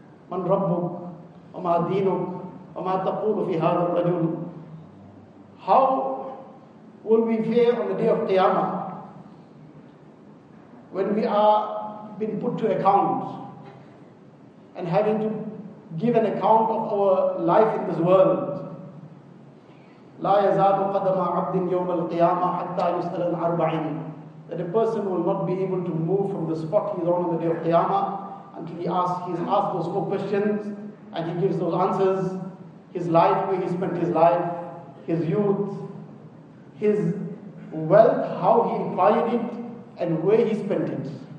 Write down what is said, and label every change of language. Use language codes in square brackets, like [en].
[ar] Man rabbuk, wa ma deenuk, wa ma taqulu fi hadha ar-rajul. [en] How will we fare on the day of Qiyamah when we are being put to account and having to give an account of our life in this world? [ar] لا يزال قدم عبد يوم القيامة حتى يسأل عن أربعين. [en] That a person will not be able to move from the spot he is on the day of Qiyamah until he is asked those four questions and he gives those answers. His life, where he spent his life, his youth, his wealth, how he acquired it, and where he spent it.